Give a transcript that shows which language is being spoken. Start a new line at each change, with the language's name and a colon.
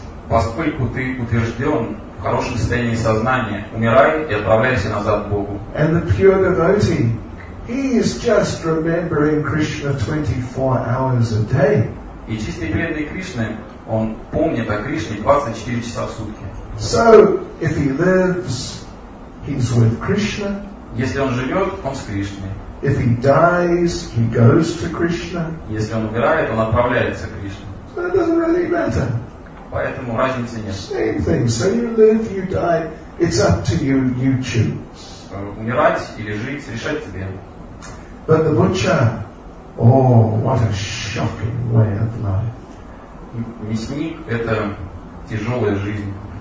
Russian: Поскольку ты утвержден в хорошем состоянии сознания, умирай и отправляйся назад к Богу.
English: And the pure devotee, he is just remembering Krishna 24 hours a day.
Russian: И чистый преданный Кришне, он помнит о Кришне 24 часа в сутки.
English: So, if he lives, he's with Krishna.
Russian: Если он живет, он с Кришной.
English: If he dies, he goes to Krishna.
Russian: Если он умирает, он отправляется к Кришне.
English: So it doesn't really matter.
Russian: Поэтому разницы нет.
English: Same thing. So you live, you die. It's up to you. You choose.
Russian: Умирать или жить, решать тебе.
English: But the butcher, oh, what a shocking way of life.
Russian: Мясник — это тяжелая жизнь.